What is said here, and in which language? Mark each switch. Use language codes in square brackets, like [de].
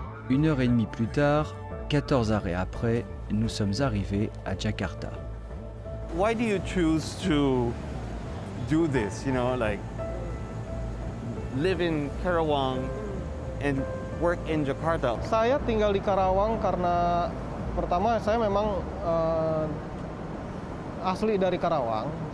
[fr] Une heure et demie plus tard, 14 arrêts après, nous sommes arrivés à Jakarta. [en] Why do you choose to do this, you know, like live in Karawang and work in Jakarta. [id] Saya tinggal di Karawang karena pertama saya memang asli dari Karawang.